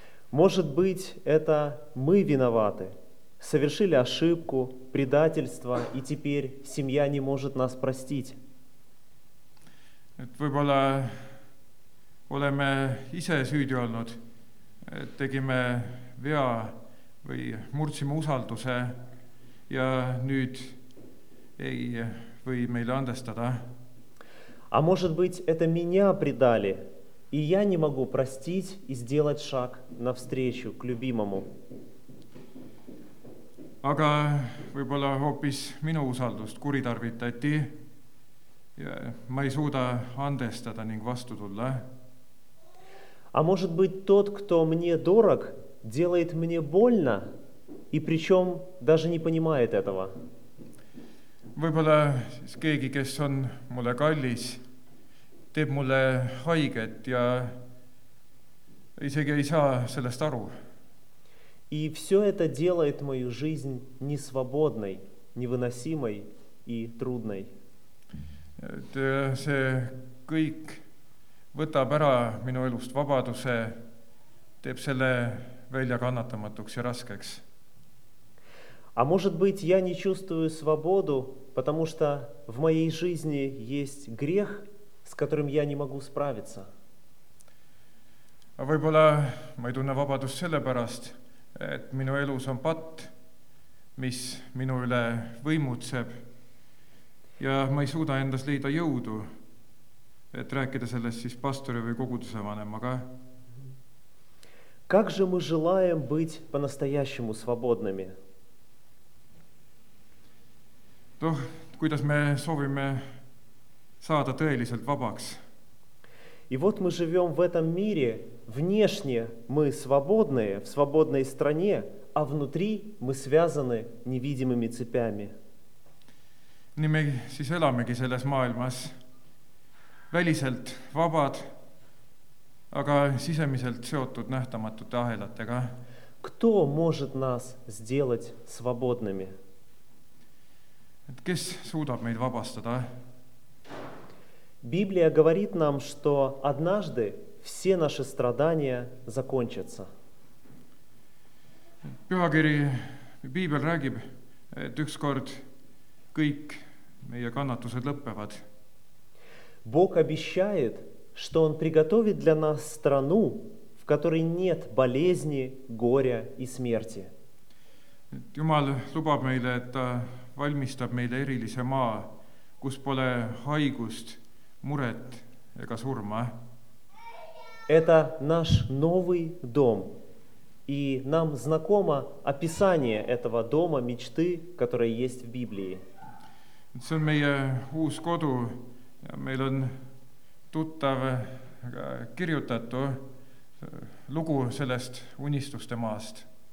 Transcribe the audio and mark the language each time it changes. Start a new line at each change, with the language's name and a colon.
Russian: Может быть, это мы виноваты. Совершили ошибку, предательство, и теперь семья не может нас простить.
Estonian: Et võib-olla oleme ise süüdi olnud, et tegime vea või murtsime usalduse ja nüüd ei või meile andestada.
Russian: А может быть, это меня предали? И я не могу простить и сделать шаг навстречу к любимому.
Estonian: Aga võib-olla hoopis minu usaldust kuritarvitati. Ja ma ei suuda andestada ning vastu tulla.
Russian: А может быть, тот, кто мне дорог, делает мне больно, и причем даже не понимает этого.
Estonian: Võib-olla siis keegi, kes on mulle kallis, teeb mulle haiget ja isegi ei saa sellest aru.
Russian: И все это делает мою жизнь несвободной, невыносимой и трудной.
Estonian: Et see kõik võtab ära minu elust vabaduse, teeb selle välja kannatamatuks ja raskeks.
Russian: А может быть, я не чувствую свободу, потому что в моей жизни есть грех, с которым я не могу справиться.
Estonian: А võib-olla ma ei tunne vabadust sellepärast, et minu elus on patt, mis minu üle võimutseb, ja ma ei suuda endas leida jõudu, et rääkida sellest siis pastori või kogudusevanemaga.
Russian: Как же мы желаем быть по-настоящему свободными?
Estonian: Noh, kuidas me soovime saada tõeliselt vabaks.
Russian: И вот мы живем в этом мире, внешне мы свободные, в свободной стране, а внутри мы связаны невидимыми цепями.
Estonian: Nii me siis elamegi selles maailmas väliselt vabad, aga sisemiselt seotud nähtamatute ahelatega.
Russian: Кто может нас сделать свободными?
Estonian: Et kes suudab meid vabastada?
Russian: Библия говорит нам, что однажды все наши страдания закончатся.
Estonian: Pühakiri, Biibel räägib, et ükskord kõik meie kannatused lõppevad.
Russian: Бог обещает, что Он приготовит для нас страну, в которой нет болезни, горя и смерти.
Estonian: Jumal lubab meile, et ta valmistab meile erilise maa, kus pole haigust, muret ega surma.
Russian: Это наш новый дом. И нам знакомо описание этого дома мечты, которое есть в Библии.
Estonian: See on meie uus kodu ja meil on tuttav kirjutatu lugu sellest unistuste maast.